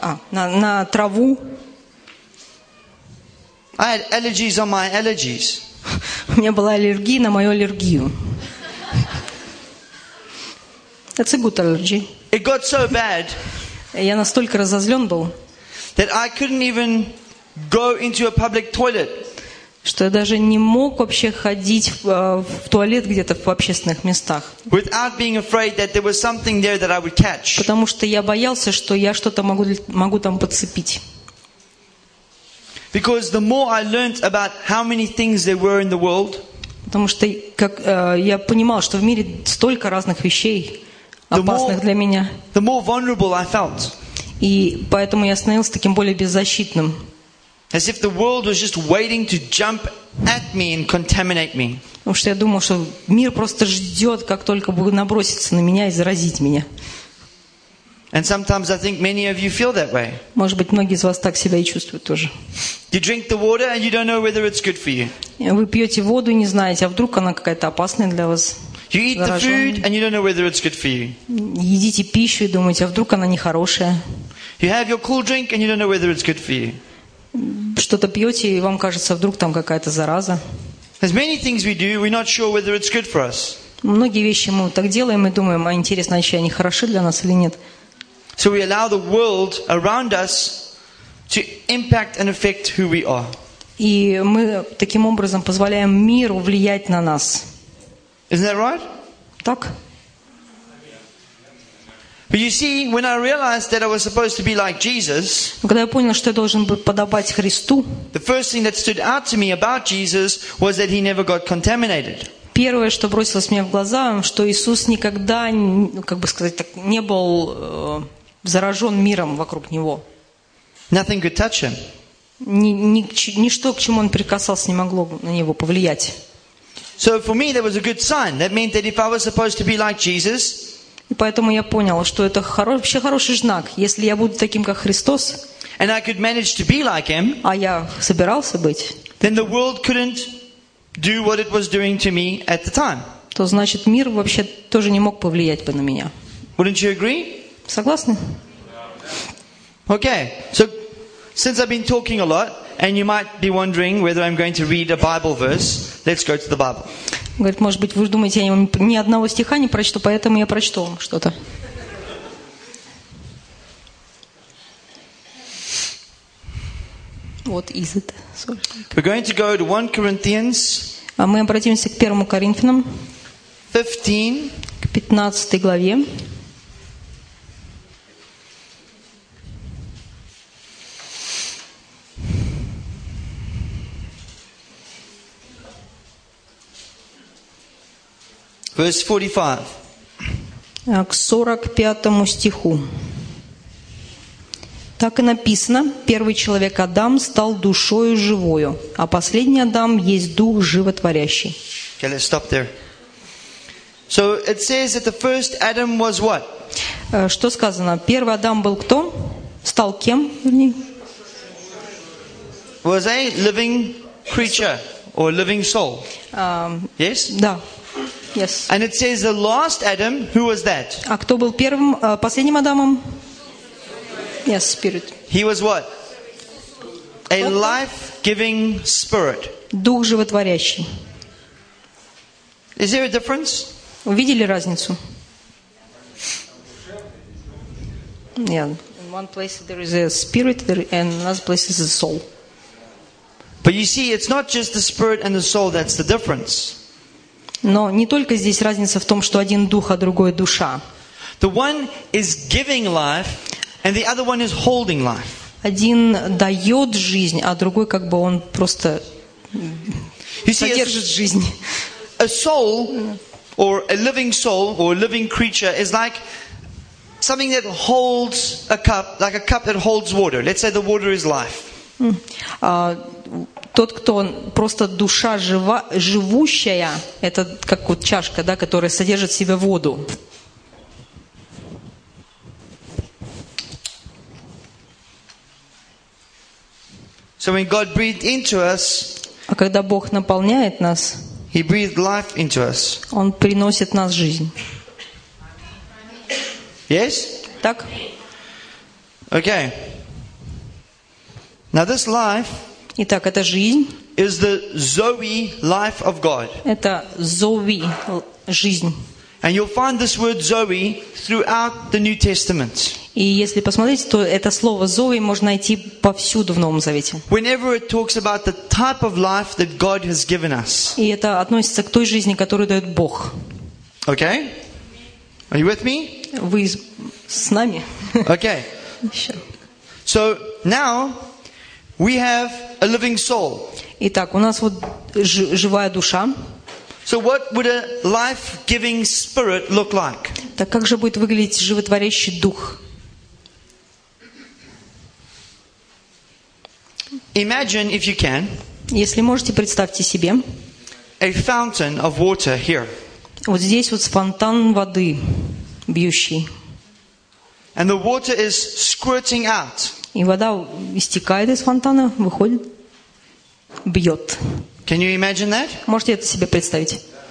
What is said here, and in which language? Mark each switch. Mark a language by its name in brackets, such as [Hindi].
[Russian] На траву. [English] I had allergies on my allergies. [Russian] У меня была аллергия на мою аллергию. [English] That's a good allergy. It got so bad. [Russian] Я настолько разозлен был. [English] That I couldn't even go into a public toilet. [Russian] Что я даже не мог вообще ходить в туалет где-то в общественных местах. [English] Without being afraid that there was something there that I would catch. [Russian] Потому что я боялся, что я что-то могу там подцепить. [English] Because the more I learned about how many things there were in the world. [Russian] Потому что я понимал, что в мире столько разных вещей, опасных для меня. [English] The more vulnerable I felt. [Russian] И поэтому я становился таким более беззащитным. [English] As if the world was just waiting to jump at me and contaminate me. [Russian] Потому что я думал, что мир просто ждет, как только будет наброситься на меня и заразить меня. [English] And sometimes I think many of you feel that way. [Russian] Может быть, многие из вас так себя и чувствуют тоже. [English] You drink the water and you don't know whether it's good for you. [Russian] Вы пьете воду и не знаете, а вдруг она какая-то опасная для вас. [English] You eat the food and you don't know whether it's good for you. [Russian] Едите пищу и думаете, а вдруг она нехорошая. [English] You have your cool drink and you don't know whether it's good for you. [Russian] Что-то пьете, и вам кажется, вдруг там какая-то зараза. Многие вещи мы так делаем и думаем, а интересно, вообще они хороши для нас или нет. [English] So we allow the world around us to impact and affect who we are. [Russian] И мы таким образом позволяем миру влиять на нас. [English] Isn't that right? [Russian] Так. [English] But you see, when I realized that I was supposed to be like Jesus, [Russian] когда я понял, что я должен был подобать Христу, [English] the first thing that stood out to me about Jesus was that he never got contaminated. [Russian] Первое, что бросилось мне в глаза, что Иисус никогда, не был заражен миром вокруг него. [English] Nothing could touch him. [Russian] Ничто, к чему он прикасался, не могло на него повлиять. [English] So for me, that was a good sign. That meant that if I was supposed to be like Jesus. [Russian] И поэтому я понял, что это вообще хороший знак. Если я буду таким, как Христос, [English] and I could manage to be like him, [Russian] а я собирался быть, [English] then the world couldn't do what it was doing to me at the time. [Russian] То значит, мир вообще тоже не мог повлиять бы на меня. [English] Wouldn't you agree? [Russian] Согласны? [English] Okay. So Since I've been talking a lot, and you might be wondering whether I'm going to read a Bible verse, let's go to the Bible. [Russian] Говорит, может быть, вы думаете, я ни одного стиха не прочту, поэтому я прочту вам что-то. [English] What is it? Sorry. We're going to go to 1 Corinthians. [Russian] А мы обратимся к 1 Коринфянам. [English] 15. [Russian] К 15 главе. [English] Verse 45. [Russian] К 45 стиху. Так и написано, первый человек Адам стал душою живою, а последний Адам есть дух животворящий. [English] Okay, let's stop there. So it says that the first Adam was what? [Russian] Что сказано? Первый Адам был кто? Стал кем? [English] Was a living creature or living soul? Yes? [Russian] Да. [English] Yes. And it says the last Adam, who was that? [Russian] А кто был первым, последним Адамом? [English] Yes, spirit. He was what? A life-giving spirit. [Russian] Дух животворящий. [English] Is there a difference? [Russian] Увидели разницу? [English] Yeah. In one place there is a spirit, and another place is a soul. But you see, it's not just the spirit and the soul that's the difference. [Russian] Но не только здесь разница в том, что один дух, а другой душа. [English] The one is giving life. And the other one is holding life. [Russian] Один дает жизнь, а другой как бы он просто содержит жизнь. [English] A soul or a living soul or a living creature is like something that holds a cup, like a cup that holds water. Let's say the water is life. [Russian] Тот, кто просто душа живущая, это как вот чашка, да, которая содержит в себе воду. [English] So when God breathed into us, [Russian] а когда Бог наполняет нас, [English] He breathed life into us. [Russian] Он приносит нас жизнь. [English] Yes? [Russian] Так. [English] Okay. Now this life, [Russian] итак, эта жизнь, [English] is the Zoe life of God. [Russian] Это Зоэ жизнь. [English] And you'll find this word Zoe throughout the New Testament. [Russian] И если посмотреть, то это слово Зоэ можно найти повсюду в Новом Завете. [English] Whenever it talks about the type of life that God has given us. [Russian] И это относится к той жизни, которую дает Бог. [English] Okay? Are you with me? [Russian] Вы с нами? [English] Okay. So now we have a living soul. [Russian] Итак, у нас вот живая душа. [English] So what would a life-giving spirit look like? [Russian] Так как же будет выглядеть животворящий дух? [English] Imagine if you can. [Russian] Если можете, представьте себе. [English] A fountain of water here. [Russian] Вот здесь вот фонтан воды бьющий. [English] And the water is squirting out. [Russian] И вода истекает из фонтана, выходит, бьет. [English] Can you imagine that? [Russian] Можете это себе представить?